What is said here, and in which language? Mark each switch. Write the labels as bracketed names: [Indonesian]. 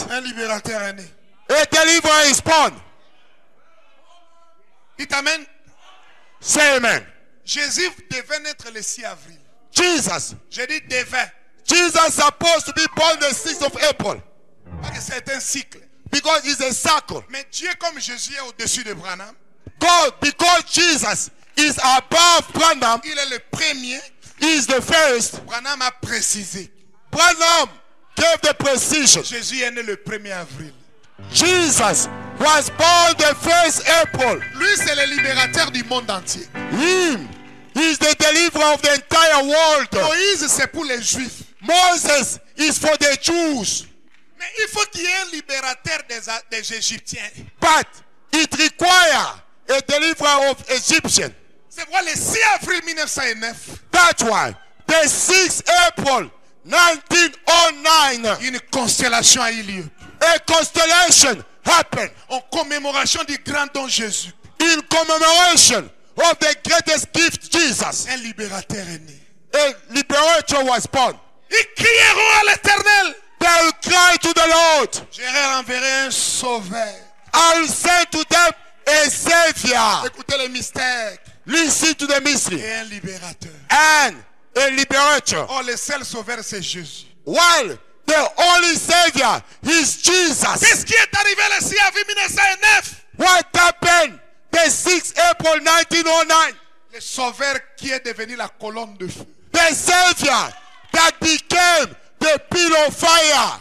[French] un libérateur est né. [English] A deliverer is born. [French] Dites amen. [English] Say amen. [French] Jésus devait naître le 6 avril. [English] Jesus. [French] Je dis devait. [English] Jesus supposed to be born the 6th of April. [French] Parce que c'est un cycle. [English] Because it's a circle. [French] Mais Dieu, comme Jésus est au-dessus de Branham. [English] God, because Jesus is above Branham. [French] Il est le premier. [English] He is the first. [French] Branham a précisé. [English] Branham gave the precision. [French] Jésus est né le 1er avril. [English] Jesus was born the 1st April. [French] Lui, c'est le libérateur du monde entier. [English] Him is the deliverer of the entire world. [French] Moïse, c'est pour les Juifs. [English] Moses is for the Jews. [French] Mais il faut qu'il y ait un libérateur des Égyptiens. [English] But it requires a deliverer of Egyptians. [French] C'est quoi, le 6 avril 1909? [English] That's why the 6 April 1909. [French] Une constellation a eu lieu. [English] A constellation happened. [French] En commémoration du grand don Jésus. [English] In commemoration of the greatest gift Jesus. [French] Un libérateur est né. [English] A liberator was born. [French] Ils crieront à l'Éternel. [English] They will cry to the Lord. [French] Je renverrai un sauveur. [English] I'll send to them a savior. [French] Écoutez le mystère. [English] Listen to the mystery. [French] Et un libérateur. [English] And a liberator. [French] Oh, le seul sauveur, c'est Jésus. [English] While the only savior is Jesus. [French] Qu'est-ce qui est arrivé le 6 avril 1909? [English] What happened the 6 April 1909? [French] Le sauveur qui est devenu la colonne de feu. [English] The savior that became the pillar of fire